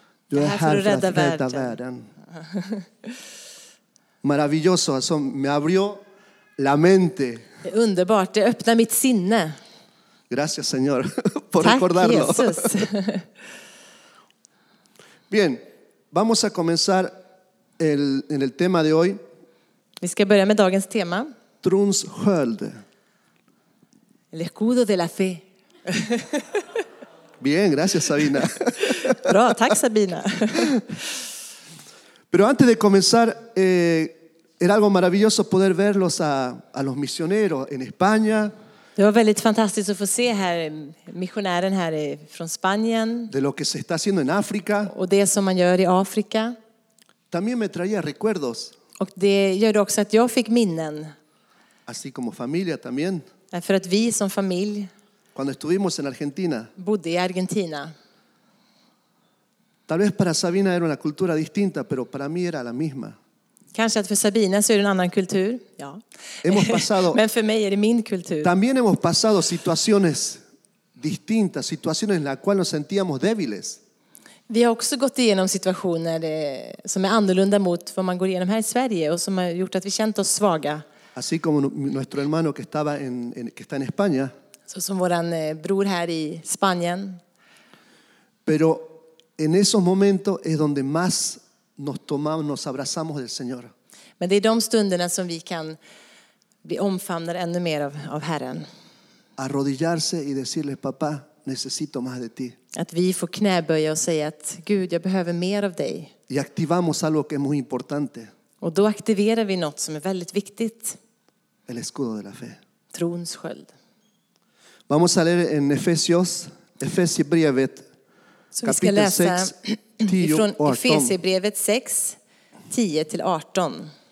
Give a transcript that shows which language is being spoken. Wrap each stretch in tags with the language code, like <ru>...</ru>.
<sv>Du är här för att rädda världen.</sv> <es>Maravilloso, alltså, me abrió la mente.</es> <sv>Det är underbart, det öppnar mitt sinne.</sv> <es>Gracias, señor, por recordarlo. Bien, vamos a comenzar en el tema de hoy.</es> <sv>Vi ska börja med dagens tema. Trons sköld.</sv> <es>El escudo de la fe. Bien, gracias, Sabina.</es> <sv>Bra, tack, Sabina.</sv> <es>Pero antes de comenzar, era algo maravilloso poder verlos a los misioneros en España.</es> <sv>Det var väldigt fantastiskt att få se här missionären här från Spanien.</sv> <es>De lo que se está haciendo en África.</es> <sv>Och det som man gör i Afrika.</sv> <es>También me traía recuerdos.</es> <sv>Och det gör också att jag fick minnen.</sv> <es>Así como familia también.</es> <sv>För att vi som familj.</sv> <es>Cuando estuvimos en Argentina.</es> <sv>Bodde i Argentina.</sv> <es>Tal vez para Sabina era una cultura distinta, pero para mí era la misma.</es> <sv>Kanske att för Sabina så är det en annan kultur. Ja.</sv> <es>Hemos pasado,</es> <sv>men för mig är det min kultur.</sv> <es>También hemos pasado situaciones distintas, situaciones en las cuales nos sentíamos débiles.</es> <sv>Vi har också gått igenom situationer som är annorlunda mot vad man går igenom här i Sverige och som har gjort att vi känt oss svaga.</sv> <es>Así como nuestro hermano que estaba en que está en España.</es> <sv>Så som våran bror här i Spanien.</sv> <es>Pero en esos momentos es donde más nos tomamos, nos abrazamos del Señor.</es> <sv>Men det är de stunderna som vi kan bli omfamnade ännu mer av Herren.</sv> <es>Arrodillarse y decirle, papá, necesito más de ti.</es> <sv>Att vi får knäböja och säga att Gud, jag behöver mer av dig.</sv> <es>Y activamos algo que es muy importante.</es> <sv>Och då aktiverar vi något som är väldigt viktigt.</sv> <es>El escudo de la fe.</es> <sv>Trons sköld.</sv> <es>Vamos a leer en Efesiebrevet.</es> <sv>Så vi ska läsa från Efesierbrevet 6, 10-18.</sv>